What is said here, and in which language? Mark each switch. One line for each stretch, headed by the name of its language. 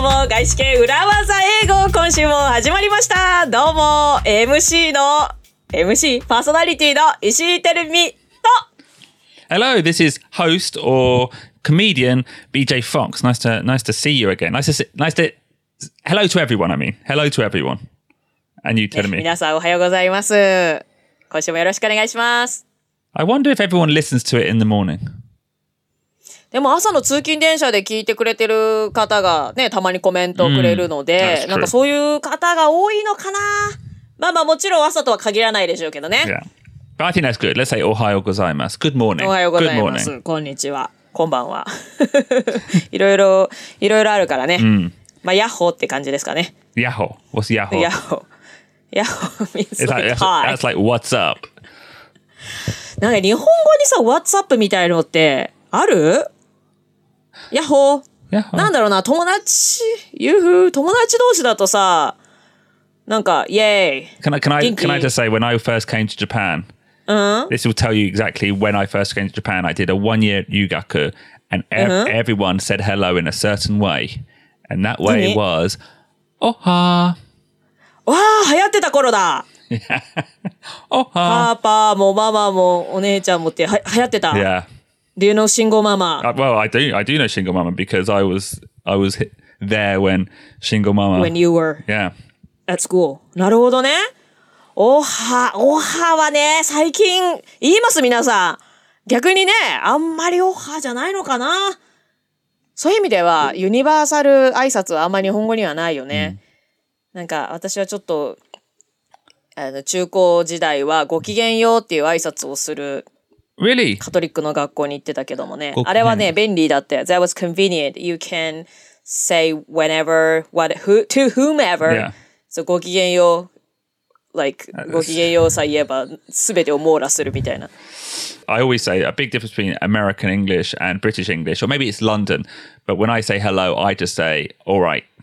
Japanese: どうも外資系裏技英語今週も始まりました。どうも MC パーソナリティの石井てるみと
English: Hello, this is host or comedian BJ Fox. Nice to see you again. Hello to everyone, I mean. Hello to everyone. And you tell me.
Japanese: 皆さんおはようございます。今週もよろしくお願いします。
English: I wonder if everyone listens to it in the morning.
Japanese: でも朝の通勤電車で聞いてくれてる方がね、たまにコメントをくれるので、なんかそういう方が多いのかな。まあまあもちろん朝とは限らないでしょうけどね。
English: Yeah. But I think that's good. Let's say
Japanese: おはようございます。
English: Good morning.
Japanese: おはようございます。こんにちは。こんばんは。いろいろ、いろいろあるからね。まあ、ヤッホーって感じですかね。ヤッホー。
English: What's
Japanese: ヤッホー？
English: ヤッホー。ヤッホー means like, hi. That's like, what's up?
Japanese: なんか日本語にさ、
English: What's up
Japanese: みたいのってある？ヤッホー。なんだろうな、友達、ユーフー、友達同士だとさ、なんか、イェーイ。
English: Can I just say, when I first came to Japan,、this will tell you exactly when I first came to Japan, I did a 1 year yugaku, and everyone said hello in a certain way. And that way was, おはー。
Japanese: わー、流行ってた頃だ。
English: Oh,
Japanese: ha. Papa, mo, mama, mo, onee-chan, mo, te, hayatte ta.
English: Yeah. Do you know Shingo Mama? Well, I do know Shingo Mama because I was there when Shingo Mama. When you were. Yeah. At school.
Japanese: なるほどね。おはわね、最近言います皆さん。逆にね、あんまりおはじゃないのかな。そういう意味では、ユニバーサル挨拶はあんまり日本語にはないよね。なんか私はちょっと。あの中高時代はごきげんようっていう挨拶をする、
English: really?
Japanese: カトリックの学校に行ってたけどもね、あれはね便利だったよ。
English: That was convenient. You can say whenever, what, who, to whomever、 yeah.
Japanese: so ごきげんよう、like、ごきげんようさえ言えば全てを網羅するみたいな。
English: I always say a big difference between American English and British English, or maybe it's London, but when I say hello, I just say all right.